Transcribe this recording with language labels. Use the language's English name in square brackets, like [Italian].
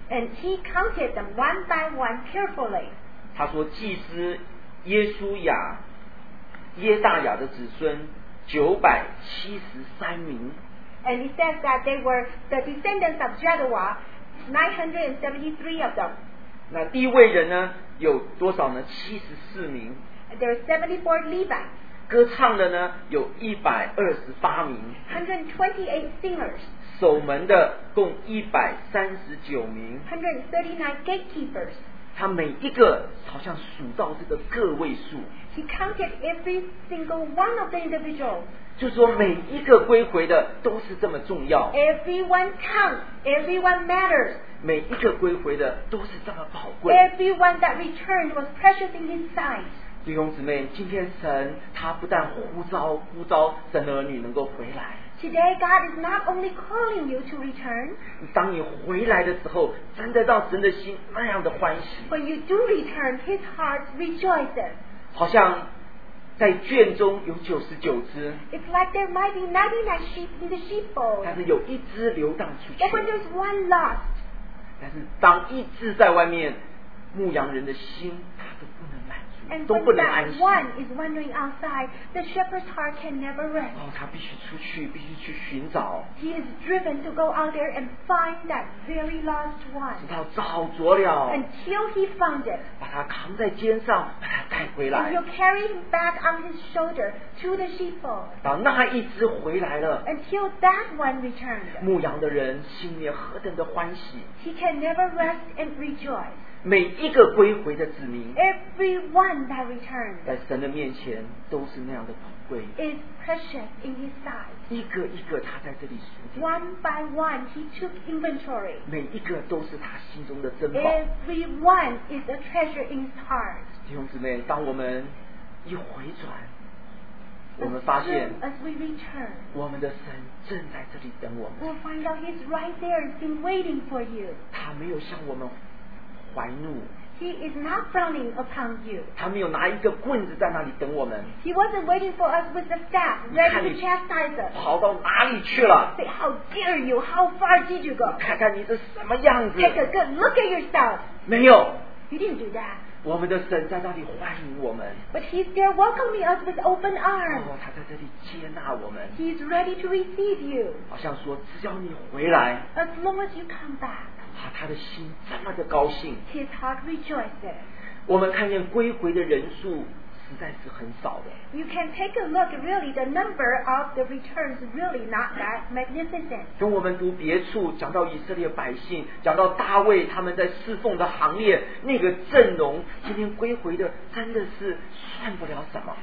[English] And He counted them one by one carefully. [Chinese] 他说祭司耶稣雅耶大雅的子孙973名。 [English] And he says that they were the descendants of Jaddua, 973 of them. [Chinese] 那第一位人呢有多少呢？ 74名。 [English] There are 74 Levites. [Chinese] 歌唱的呢有128名。 [English] 128 singers. [Chinese] 守门的共139名。 [English] 139 gatekeepers. [Chinese] 他每一个好像数到这个个位数。 [English] He counted every single one of the individuals. [Chinese] 就是说每一个归回的都是这么重要。 [English] Everyone counts. Everyone matters. [Chinese] 每一个归回的都是这么宝贵。 [English] Everyone that returned was precious in His sight. [Chinese] 弟兄姊妹，今天神他不但呼召神的儿女能够回来。 [English] Today, God is not only calling you to return. [Chinese] 当你回来的时候，真的让神的心那样的欢喜。 [English] When you do return, His heart rejoices. [Chinese] 好像在圈中有九十九只。 [English] It's like there might be 99 sheep in the sheepfold. [Chinese] 但是有一只流荡出去。 [English] But when there's one lost. [Chinese] 但是当一只在外面，牧羊人的心他都不能满足。 [English] And when that one is wandering outside, the shepherd's heart can never rest. [Chinese] 他必须出去，必须去寻找。 [English] He is driven to go out there and find that very lost one. [Chinese] 直到找着了。 [English] Until he found it. [Chinese] 把他扛在肩上，把他带回来。 [English] And he'll carry him back on his shoulder to the sheepfold. [Chinese] 到那一只回来了。 [English] Until that one returned. [Chinese] 牧羊的人心里何等的欢喜。 [English] He can never rest and rejoice. [Chinese] 每一个归回的子民 [English] Everyone that returns [Chinese] 在神的面前都是那样的宝贵 [English] Is precious in His sight [Chinese] 一个一个他在这里数 [English] One by one He took inventory [Chinese] 每一个都是他心中的珍宝 [English] Everyone is a treasure in His heart [Chinese] 弟兄姊妹当我们一回转我们发现 [English] As we return [Chinese] 我们的神正在这里等我们 [English] We'll find out He's right there He's been waiting for you [Chinese] 他没有向我们怀怒 [English] He is not frowning upon you. [Chinese] 他没有拿一个棍子在那里等我们。 [English] He wasn't waiting for us with a staff, ready to chastise us. [Chinese] 跑到哪里去了？ [English] Say, how dare you? How far did you go? [Chinese] 看看你是什么样子。 [English] Take a good look at yourself. [Chinese] 没有。 [English] He didn't do that. [Chinese] 我们的神在那里欢迎我们。 [English] But he's there welcoming us with open arms. [Chinese] 他在这里接纳我们。 [English] He's ready to receive you. [Chinese] 好像说，只要你回来。 [English] As long as you come back. [Chinese] 他的心这么的高兴。 [English] His heart rejoices. [Chinese] 我们看见归回的人数实在是很少的。 [English] You can take a look, really, the number of the returns really not that magnificent. [Chinese] 跟我们读别处，讲到以色列百姓，讲到大卫他们在侍奉的行列，那个阵容，今天归回的真的是算不了什么。